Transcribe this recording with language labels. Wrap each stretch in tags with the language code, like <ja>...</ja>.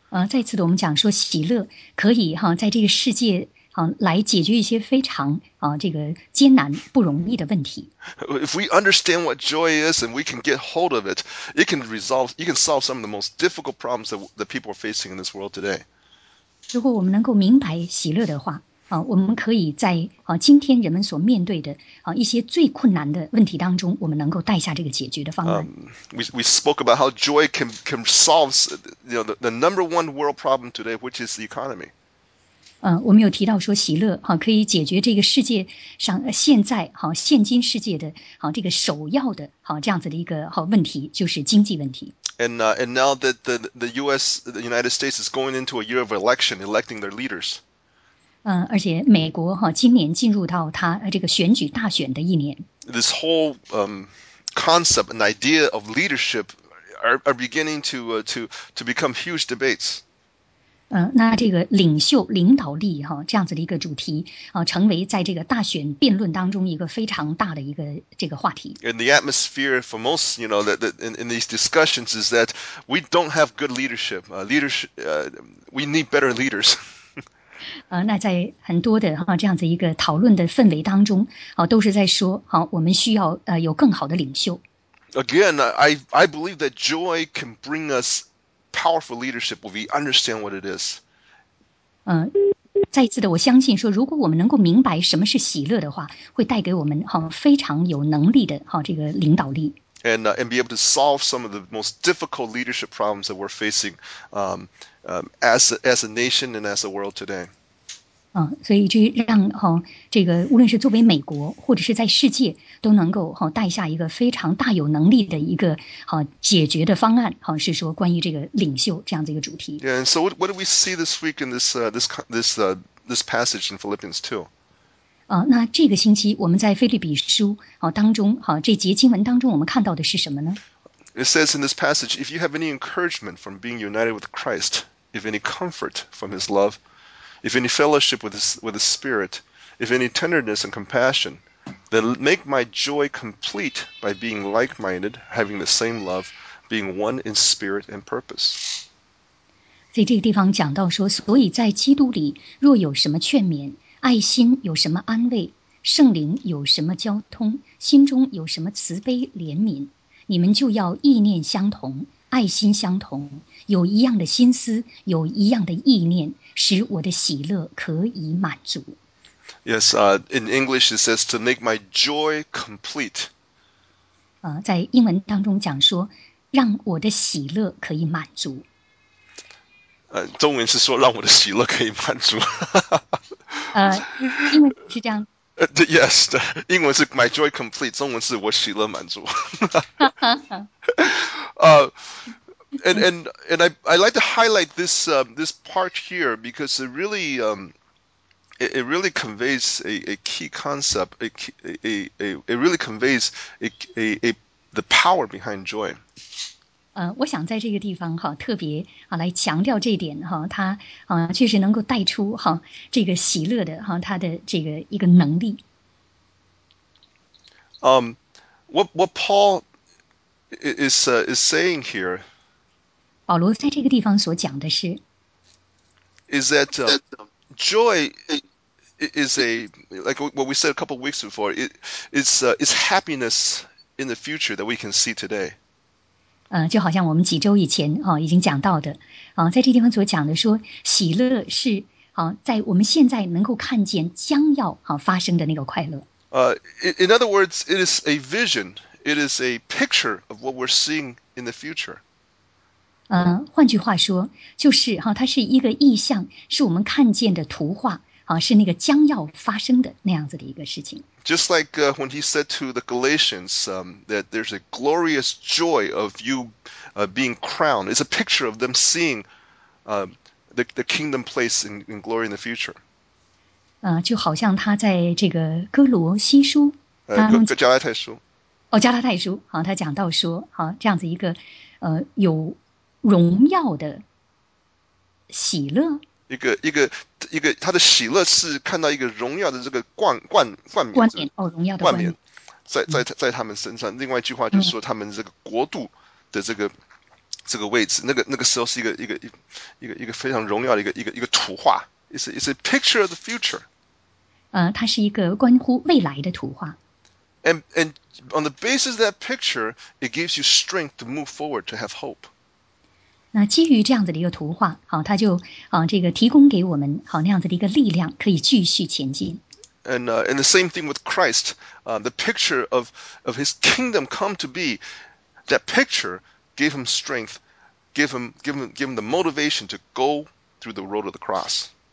<zh>再次的我们讲说喜乐可以在这个世界来解决一些非常这个艰难不容易的问题。</zh> <en>If we understand what joy is and we can get hold of it, it can solve some of the most difficult problems that people are facing in this world today.</en> <zh>如果我们能够明白喜乐的话我们可以在今天人们所面对的一些最困难的问题当中，我们能够带下这个解决的方案。</zh> <en>We spoke about how joy can solve the number one world problem today, which is the economy.</en> <zh>我们有提到说喜乐可以解决这个世界上现在现今世界的这个首要的这样子的一个问题，就是经济问题。</zh> <en>And now that the United States is going into a year of election, electing their leaders.</en> <zh>而且美国今年进入到他这个选举大选的一年。</zh> <en>This whole concept and idea of leadership are beginning to become huge debates.</en> <zh>那这个领袖领导力这样子的一个主题成为在这个大选辩论当中一个非常大的一个这个话题。</zh> <en>And the atmosphere for most, you know, in these discussions is that we don't have good leadership. We need better leaders.</en> <zh>那在很多的这样子一个讨论的氛围当中都是在说我们需要有更好的领袖。</zh> <en>Again, I believe that joy can bring us powerful leadership if we understand what it is.</en> <zh>再一次的，我相信说，如果我们能够明白什么是喜乐的话，会带给我们哈非常有能力的哈这个领导力。</zh> <en>And be able to solve some of the most difficult leadership problems that we're facing, as a nation and as a world today.</en> <zh>所以这让哈这个无论是作为美国或者是在世界，都能够哈带下一个非常大有能力的一个哈解决的方案哈，是说关于这个领袖这样的一个主题。</zh> <en>Yeah, and so what do we see this week in this passage in Philippians 2?</en> <zh>那这个星期我们在腓立比书当中这节经文当中我们看到的是什么呢？</zh> <en>It says in this passage, if you have any encouragement from being united with Christ, if any comfort from his love, if any fellowship with his spirit, if any tenderness and compassion, then make my joy complete by being like-minded, having the same love, being one in spirit and purpose.</en> <zh>所以这个地方讲到说，所以在基督里若有什么劝勉，爱心有什么安慰，圣灵有什么交通，心中有什么慈悲怜悯，你们就要意念相同，爱心相同，有一样的心思，有一样的意念，使我的喜乐可以满足。</zh> <en>Yes, in English it says to make my joy complete.</en> <zh>在英文当中讲说，让我的喜乐可以满足。中文是说让我的喜乐可以满足。英文是这样。</zh> <en>Yes,</en> <zh>英文是</zh> <en>my joy complete,</en> <zh>中文是我喜乐满足。</zh> <en>and I like to highlight this, this part here because it really conveys a key concept, it really conveys the power behind joy.</en> <zh>我想在这个地方哈，特别啊来强调这一点哈，它确实能够带出哈这个喜乐的哈它的这个一个能力。</zh> <en>What Paul is saying here?</en> <zh>保罗在这个地方所讲的是</zh> <en>，is that joy is a like what we said a couple of weeks before? It's happiness in the future that we can see today.</en> <zh>就好像我们几周以前已经讲到的在这地方所讲的说喜乐是在我们现在能够看见将要发生的那个快乐。</zh> <en>In other words, it is a vision. It is a picture of what we're seeing in the future.</en> <zh>换句话说就是它是一个意象是我们看见的图画是那个将要发生的那样子的一个事情。</zh> <en>Just like when he said to the Galatians that there's a glorious joy of you being crowned. It's a picture of them seeing the kingdom place in glory in the future.</en> <zh>就好像他在这个哥罗西书。加拉太书。哦加拉太书他讲到说这样子一个有荣耀的喜乐。一个他的喜乐是看到一个荣耀的这个冠冕荣耀的冠冕在他们身上。另外一句话就是说他们这个国度的这个位置，那个时候是一个非常荣耀的一个图画。</zh> <en>It's a picture of the future.</en> <zh>它是一个关乎未来的图画。</zh> <en>And on the basis of that picture, it gives you strength to move forward to have hope.</en> <zh>那基于这样子的一个图画，他就这个提供给我们那样子的一个力量，可以继续前进。</zh> <en>And the same thing with Christ, the picture of His kingdom come to be, that picture gave Him strength, gave him the motivation to go through the road of the cross.</en>